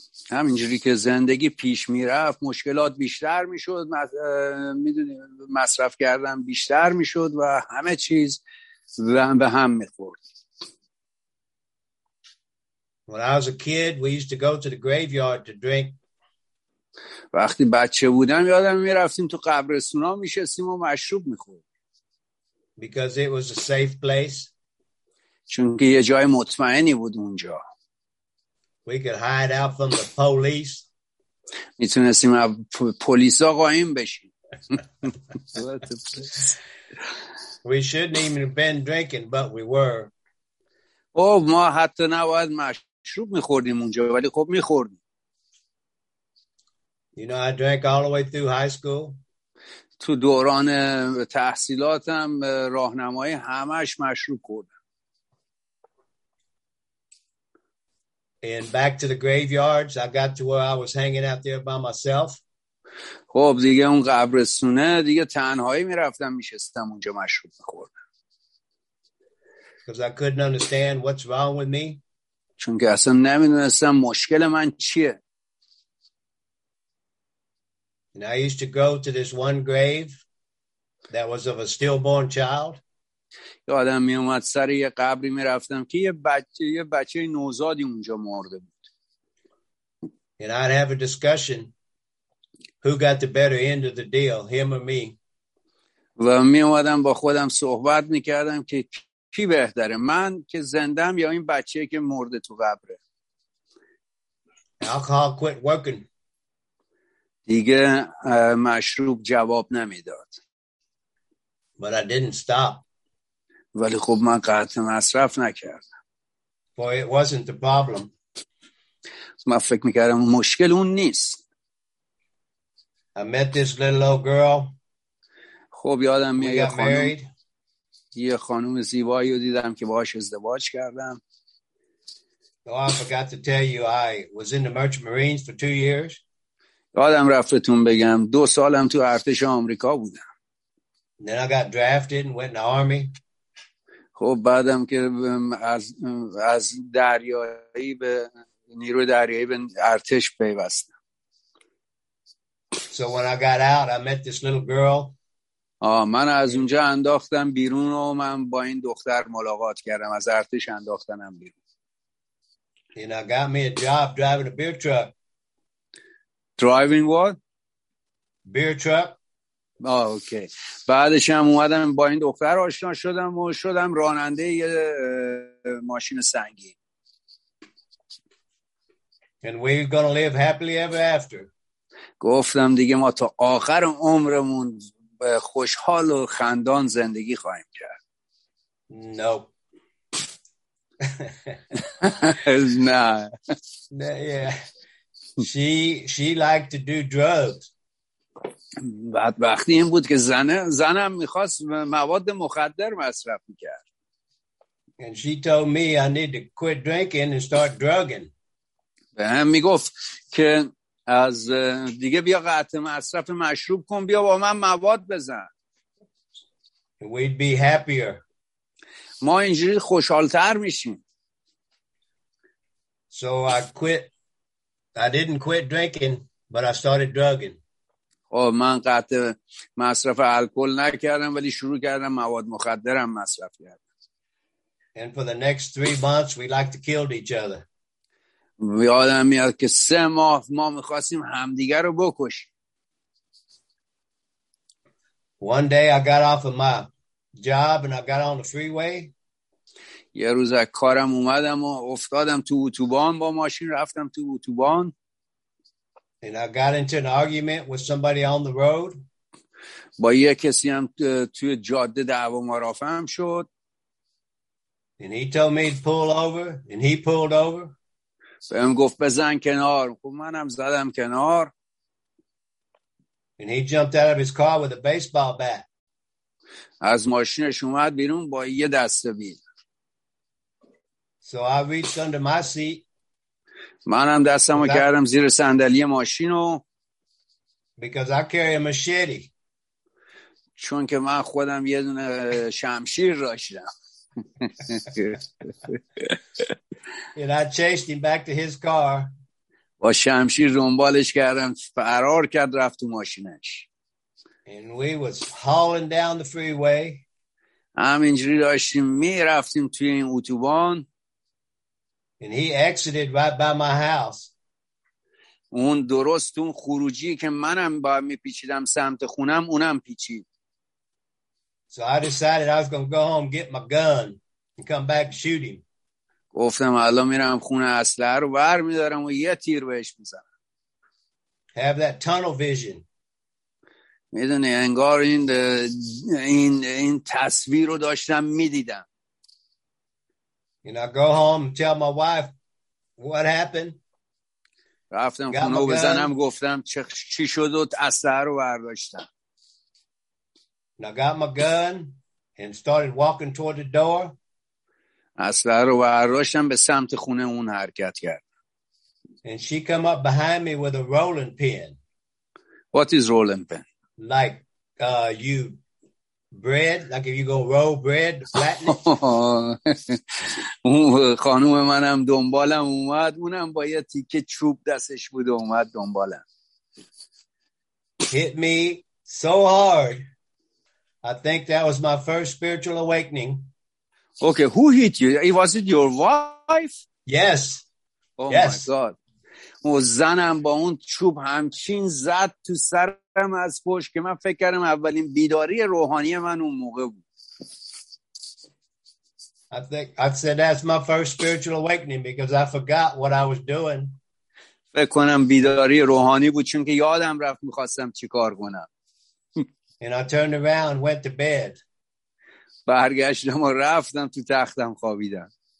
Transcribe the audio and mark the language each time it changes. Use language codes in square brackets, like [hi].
[fa] همینجوری که زندگی پیش میرفت مشکلات بیشتر میشد، میدونی مصرف کردم بیشتر میشد و همه چیز به هم میخورد. [en] When I was a kid, we used to go to the graveyard to drink. [fa] وقتی بچه بودم یادم میرفتیم تو قبرستونا میشستیم و مشروب میخورد. [en] Because it was a safe place. [fa] چون که یه جای مطمئنی بود اونجا. [en] We could hide out from the police. [fa] میتونستیم از پلیسا قایم بشیم. [en] We shouldn't even have been drinking, but we were. [fa] ما حتی نباید مشروب میخوردیم اونجا، ولی خب میخوردیم. [en] You know, I drank all the way through high school. [fa] تو دوران تحصیلاتم راهنمایی همش مشروب خوردم. [en] And back to the graveyards, I got to where I was hanging out there by myself. [fa] خب دیگه اون قبرستونه دیگه تنهایی میرفتم میشستم اونجا مشروب میخوردم. [en] Because I couldn't understand what's wrong with me. [fa] چون که اصلا نمیدونستم مشکل من چیه. [en] And I used to go to this one grave that was of a stillborn child. [fa] یادم میومد سر یه قبری میرفتم که یه بچه نوزادی اونجا مرده بود. [en] And I'd have a discussion. Who got the better end of the deal, him or me? [fa] و می اومدم با خودم صحبت میکردم که کی بهتره، من که زندم یا این بچه که مرده تو قبره. [en] Alcohol quit working. [fa] دیگه مشروب جواب نمیداد. [en] But I didn't stop. [fa] ولی خب من قطع مصرف نکردم. [en] For it wasn't the problem. [fa] من فکر میکردم مشکل اون نیست. [en] I met this little old girl. [fa] خب یادم میاد یه خانم زیبایی رو دیدم که باهاش ازدواج کردم. [en] Oh, I forgot to tell you, I was in the Merchant Marines for 2 years. [fa] یادم رفتتون بگم 2 سالم تو ارتش آمریکا بودم. [en] Then I got drafted and went in the army. [fa] خب بعدم که از دریایی به نیروی دریایی به ارتش پیوستم. [en] So when I got out, I met this little girl. [fa] من از اونجا انداختم بیرون و من با این دختر ملاقات کردم، از ارتش انداختنم بیرون. [en] And I got me a job driving a beer truck. Driving what? Beer truck. Okay. [fa] بعدش هم اومدم با این دختر آشنا شدم و شدم راننده یه ماشین سنگی. [en] And we're gonna live happily ever after. [fa] گفتم دیگه ما تا آخر عمرمون خوشحال و خندان زندگی خواهیم کرد. [en] No. [fa] نه. نه. [en] Yeah. She liked to do drugs. [fa] بدبختی این بود که زنم میخواست مواد مخدر مصرف میکرد. [en] And she told me I need to quit drinking and start drugging. [fa] به هم میگفت که از دیگه بیا قطع مصرف مشروب کن، بیا با من مواد بزن. [en] We'd be happier. [fa] ما اینجوری خوشحالتر میشیم. [en] So I quit. I didn't quit drinking, but I started drugging. [fa] خب من قطع مصرف الکل نکردم ولی شروع کردم مواد مخدرم مصرف کردم. [en] And for the next 3 months we like to kill each other. [fa] یادم میاد که 3 ماه ما میخواستیم همدیگر رو بکشیم. [en] One day I got off of my job and I got on the freeway. [fa] یه روز از کارم اومدم و افتادم تو اتوبان، با ماشین رفتم تو اتوبان. [en] And I got into an argument with somebody on the road. [fa] با یه کسی هم توی جاده دعوا مرافعم شد. [en] And he told me to pull over and he pulled over. [fa] بهم گفت بزن کنار، خب منم زدم کنار. [en] And he jumped out of his car with a baseball bat. [fa] از ماشینش اومد بیرون با یه دسته بیل. [en] So I reached under my seat. [fa] منم دستمو کردم زیر صندلی ماشینو. [en] Because I carry a machete. [fa] چون که من خودم یه دونه شمشیر داشتم. [en] And I chased him back to his car. [fa] با شمشیر دنبالش کردم، فرار کرد رفت تو ماشینش. [en] And we was hauling down the freeway. [fa] همینجوری داشتیم می رفتیم توی این اتوبان. [en] And he exited right by my house. [fa] اون درست اون خروجی که منم با می پیچیدم سمت خونم، اونم پیچید. [en] So I decided I was going to go home, get my gun, and come back and shoot him. [fa] گفتم الان میرم خونه اسلحه رو بر میدارم و یه تیر بهش میزنم. [en] Have that tunnel vision. [fa] میدونی انگار این تصویر رو داشتم میدیدم. [en] And I go home and tell my wife what happened. [fa] رفتم خونه رو بزنم، گفتم چی شد و اسلحه رو برداشتم. [en] And I got my gun and started walking toward the door. [fa] اسلحه رو برداشتم به سمت خونه اون حرکت کردم. [en] And she came up behind me with a rolling pin. What is rolling pin? Like you bread, like if you go roll bread, flatten it. [fa] اون خانوم منم دنبالم اومد، اونم با یه تیکه چوب دستش بود اومد دنبالم. [en] Hit me so hard. I think that was my first spiritual awakening. Okay, who hit you? Was it your wife? Yes. Oh yes. My God. [fa] و زنم با اون چوب همچین زد تو سرم از پشت که من فکر کردم اولین بیداری روحانی من اون موقع بود. [en] I said that's my first spiritual awakening because I forgot what I was doing. [fa] فکر کنم بیداری روحانی بود چون که یادم رفت می‌خواستم چیکار کنم. [en] And I turned around, went to bed. [fa] برگشتم و رفتم تو تختم خوابیدم.